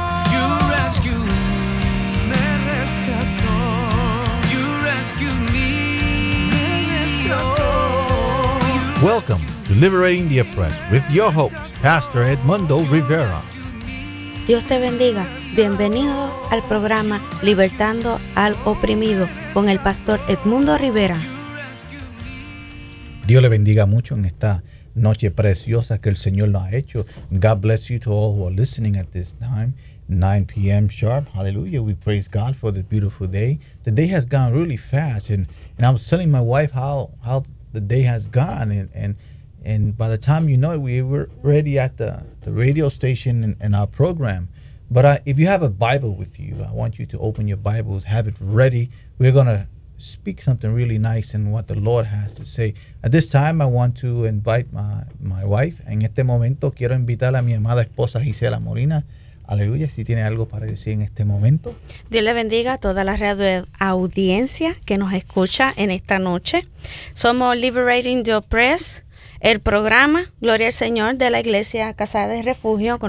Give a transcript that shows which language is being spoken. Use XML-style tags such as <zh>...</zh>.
<en>You rescue me, me rescatore. You rescue me, me rescatore. Welcome to Liberating the Oppressed with your host, Pastor Edmundo Rivera.</en> <es>Dios te bendiga. Bienvenidos al programa Libertando al Oprimido con el Pastor Edmundo Rivera. Dios le bendiga mucho en esta noche preciosa que el Señor nos ha hecho.</es> <en>God bless you to all who are listening at this time, 9 p.m. sharp. Hallelujah. We praise God for this beautiful day. The day has gone really fast, and I was telling my wife how the day has gone, and by the time you know it, we were ready at the radio station and our program. But if you have a Bible with you, I want you to open your Bibles, have it ready. We're going to speak something really nice and what the Lord has to say. At this time, I want to invite my wife.</en> <es>En este momento, quiero invitar a mi amada esposa Gisela Molina. Aleluya, si tiene algo para decir en este momento. Dios le bendiga a toda la radio audiencia que nos escucha en esta noche. Somos Liberating the Oppressed. El programa, Gloria al Señor, de la Iglesia Casa de Refugio con</es>